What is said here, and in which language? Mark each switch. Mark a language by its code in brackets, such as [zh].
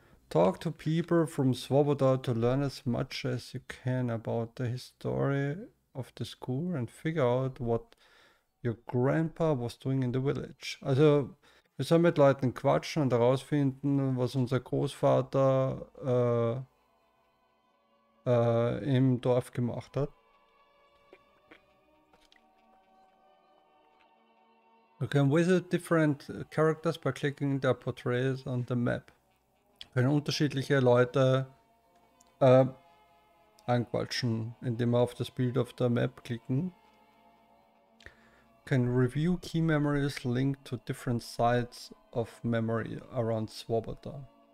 [en] Talk to people from Svoboda to learn as much as you can about the history of the school and figure out what your grandpa was doing in the village. [de] Also, wir sollen mit Leuten quatschen und herausfinden, was unser Großvater im Dorf gemacht hat. [en] You can visit different characters by clicking their portraits on the map. [de] Können unterschiedliche Leute anquatschen, indem wir auf das Bild auf der Map klicken. [en] Can review key memories linked to different sites of memory around Svoboda.